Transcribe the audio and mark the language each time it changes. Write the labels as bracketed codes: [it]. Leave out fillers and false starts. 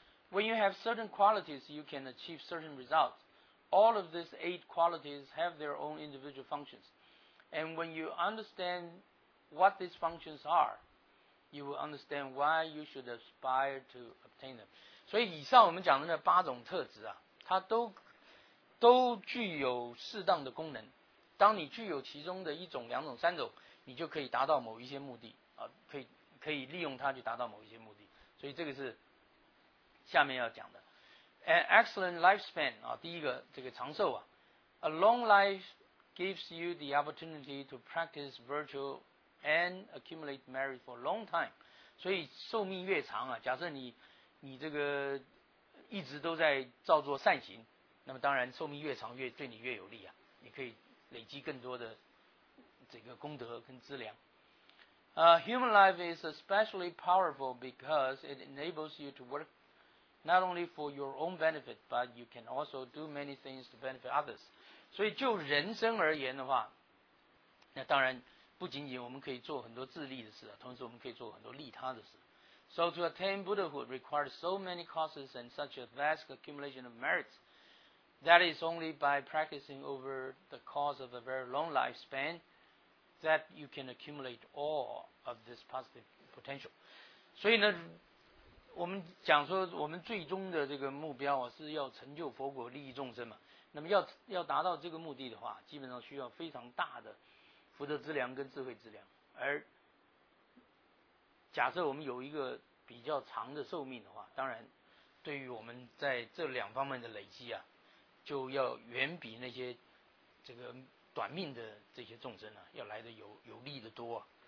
[en] When you have certain qualities, you can achieve certain results. All of these eight qualities have their own individual functions. And when you understand what these functions are, you will understand why you should aspire to obtain them. [zh] 所以以上我们讲的那八种特质啊，它都具有适当的功能。当你具有其中的一种、两种、三种，你就可以达到某一些目的啊，可以利用它去达到某一些目的。所以这个是下面要讲的 [en] ，an excellent lifespan [zh] 啊，第一个这个长寿啊 [en] ，a long life gives you the opportunity to practice virtue and accumulate merit for a long time。 [zh] 所以寿命越长啊，假设你这个一直都在造作善行，那么当然寿命越长越对你越有利啊，你可以累积更多的这个功德跟资粮。 [en] Human life is especially powerful because it enables you to work. Not only for your own benefit, but you can also do many things to benefit others. [zh] 所以就人生而言的话，那当然不仅仅我们可以做很多自利的事，同时我们可以做很多利他的事。 [en] So to attain Buddhahood requires so many causes and such a vast accumulation of merits. That is only by practicing over the course of a very long lifespan that you can accumulate all of this positive potential. [zh] 所以呢我们讲说我们最终的这个目标啊，是要成就佛果利益众生嘛。那么要达到这个目的的话，基本上需要非常大的福德资粮跟智慧资粮。而假设我们有一个比较长的寿命的话，当然对于我们在这两方面的累积啊，就要远比那些这个短命的这些众生啊，要来的有利的多啊。